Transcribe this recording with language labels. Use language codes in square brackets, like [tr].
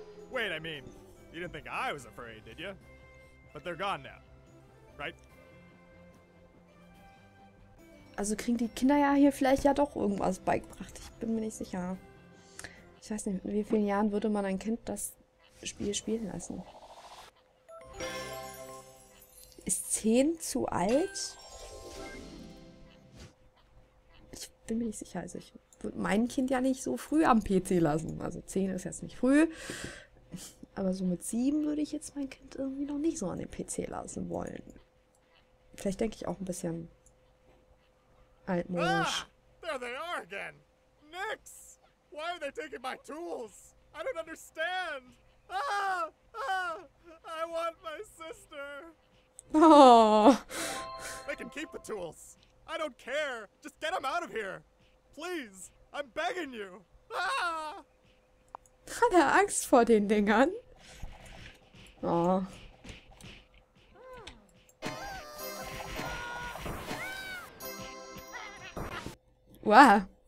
[en] Wait, I mean, you didn't think I was afraid, did you? But they're gone now. Right? [de] Also kriegen die Kinder ja hier vielleicht ja doch irgendwas beigebracht. Ich bin mir nicht sicher. Ich weiß nicht, in wie vielen Jahren würde man ein Kind das Spiel spielen lassen? Ist 10 zu alt? Ich bin mir nicht sicher. Also ich würde mein Kind ja nicht so früh am PC lassen. Also 10 ist jetzt nicht früh. Aber so mit 7 würde ich jetzt mein Kind irgendwie noch nicht so an den PC lassen wollen. Vielleicht denke ich auch ein bisschen... Altmodisch. [en] Ah, there they are again. Nyx, why are they taking my tools? I don't understand. Ah, I want my sister. Oh. They can keep the tools. I don't care. Just get them out of here. Please. I'm begging you. Ah! [de] Hat er Angst vor den Dingern? Oh. Wow.